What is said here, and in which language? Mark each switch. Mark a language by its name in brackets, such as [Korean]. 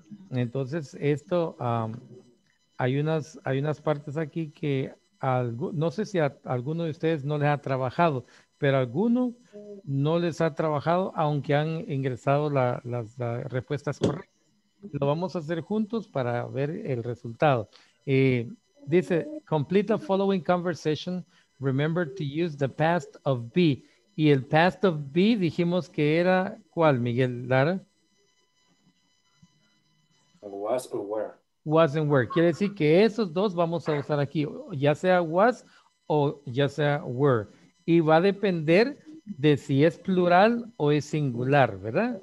[Spanish] Entonces, esto, hay unas partes aquí que no sé si a alguno de ustedes no les ha trabajado, pero a alguno no les ha trabajado, aunque han ingresado las respuestas correctas. Lo vamos a hacer juntos para ver el resultado. Dice, [English] complete the following conversation, remember to use the past of be. [Spanish] Y el past of be dijimos que era, ¿cuál, Miguel Lara? [English] Was or were. Was and were. [Spanish] Quiere decir que esos dos vamos a usar aquí, ya sea was o ya sea were. Y va a depender de si es plural o es singular, ¿verdad?